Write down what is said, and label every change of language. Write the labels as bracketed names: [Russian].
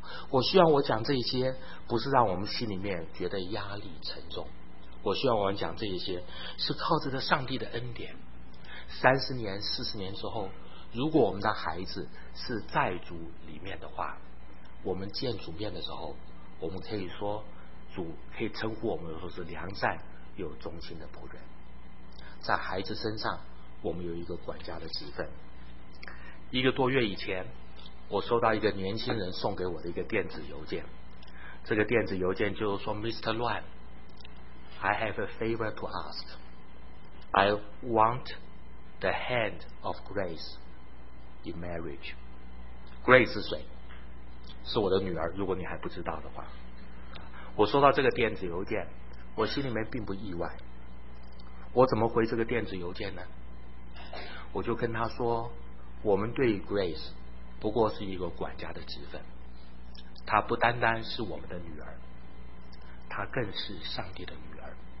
[Chinese] 我希望我讲这些不是让我们心里面觉得压力沉重，我希望我们讲这些是靠着上帝的恩典，30年40年之后，如果我们的孩子是在主里面的话，我们见主面的时候，我们可以说主可以称呼我们说是良善又忠心的仆人。在孩子身上我们有一个管家的职分。一个多月以前，我收到一个年轻人送给我的一个电子邮件，这个电子邮件就是说 Mr. [English] Luan, I have a favor to ask, I want the hand of Grace in marriage. [Chinese] Grace 是谁？是我的女儿，如果你还不知道的话。我收到这个电子邮件，我心里面并不意外。我怎么回这个电子邮件呢？我就跟他说，我们对 Grace 不过是一个管家的职分，她不单单是我们的女儿，她更是上帝的女儿。